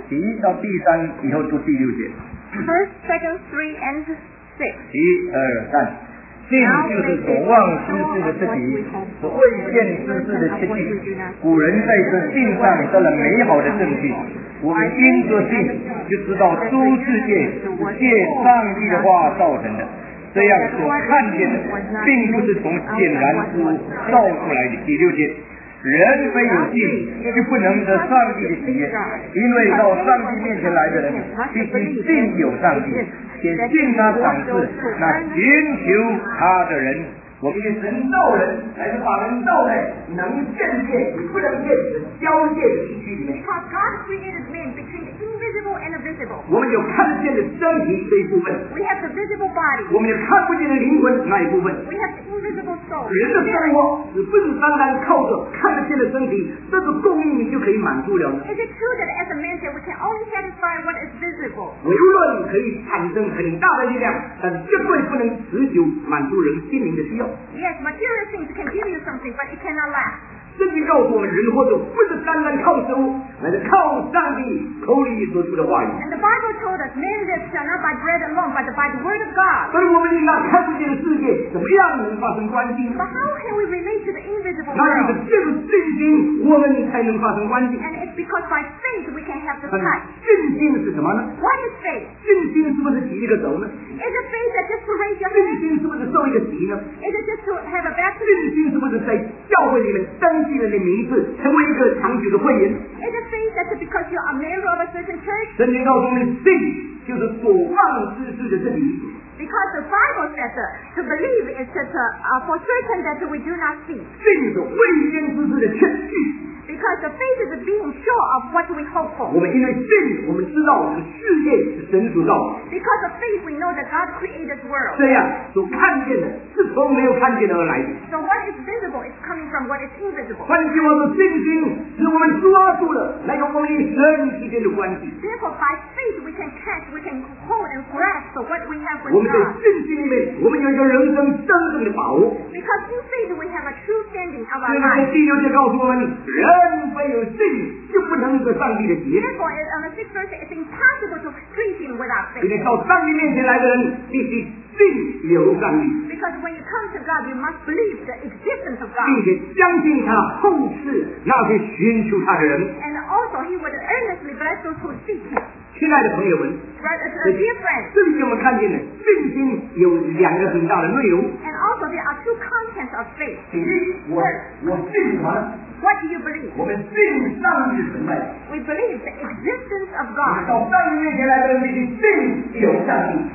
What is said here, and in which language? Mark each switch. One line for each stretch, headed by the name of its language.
Chinese: 第一到第一章以后读第六节。
English: First, second, three, and six.
Chinese: 第二三。信就是所望之事的实体，所未见之事的切据。古人在这信上得了美好的证据。我们因着信，就知道诸世界是借上帝的话造成的。这样所看见的，并不是从显然之物造出来的。第六节，人非有信，就不能得上帝的喜悦，因为到上帝面前来的人，必须信有上帝。且信他赏赐，那寻求他的人，我们是神造人，乃是把人造在能见界与不能见界的交界区域里面。
English: Because God created man between invisible and visible.
Chinese: 我们有看见的身体这一部分。
English: We have the visible body.
Chinese: 我们有看不见的灵魂那一部分。
English: We have the invisible soul.
Chinese: 人的生活是不是单单靠着看得见的身体，这个供应你就可以满足了呢？
English: Is it true that as a man said, we can only satisfy what is visible?
Chinese: 微弱可以产生很大的力量，但绝对不能持久满足人心灵的需要。
English: Yes, material things can give you something, but it cannot last.
Chinese: 圣经告诉我们，人活着不是单单靠食物，乃是靠上帝口里所出的话语。
English: And the Bible told us, man lives shall not by bread alone, but by the word of God.
Chinese: 所以我们应当看不见的世界，怎么样能发生关系？
English: But how can we relate to the invisible world?
Chinese: 那是借着信心，我们才能发生关系。
English: And it's because by faith we can have the touch.
Chinese: 信心是什么呢？
English: What is faith?
Chinese: 信心是不是挤一个走呢？
English: Is it faith that just to raise your hand?
Chinese: 信心是不是受一个洗呢？
English: Is it just to have a baptism?
Chinese: 信心是不是在教会里面登记了你的名字，成为一个长久的会员？
English: Is it faith that's because you are a member of a certain church?
Chinese: 圣经告诉我们，信就是所望之事的证明。
English: Because the Bible says to believe is just for certain that we do not see.
Chinese: 信是未见之事的确据。
English: Because the faith is being sure of what we hope for.
Chinese: 我们因为信，我们知道我们世界是神所造的。
English: Because of faith, we know that God created this world.
Chinese: 这样所看见的，是从没有看见的而来的。
English: So what is visible is coming from what is invisible.
Chinese: 换句话说，信心是我们抓住的那个关于神之间的关系。
English: Therefore, by faith, we can catch, we can hold and grasp for what we have with God.
Chinese: 我们在信心里面，我们有一个人生真正的把握。
English: Because in faith, we have a true standing of our life.
Chinese: 所以在第六节告诉我们，人非有信，就不能得上帝的喜悦。
English: Therefore, on the sixth verse, it's impossible to please Him without faith.
Chinese: 因为到上帝面前来的人，必须信有上帝。
English: Because when you come to God, you must believe the existence of God.
Chinese: 并且相信他后世那些寻求他的人。
English: And also, He would earnestly bless those who seek Him.
Chinese: 亲爱的朋友们，
English: Brothers, dear friends,
Chinese: 这里我们看见的信心有两个很大的内容。
English: And also there are two contents of faith.
Chinese: 第一，我信什么？
English: What do you believe?
Chinese: 我们信上帝存在。
English: We believe the existence of God.
Chinese: 到上帝面前来的人必须信有上帝。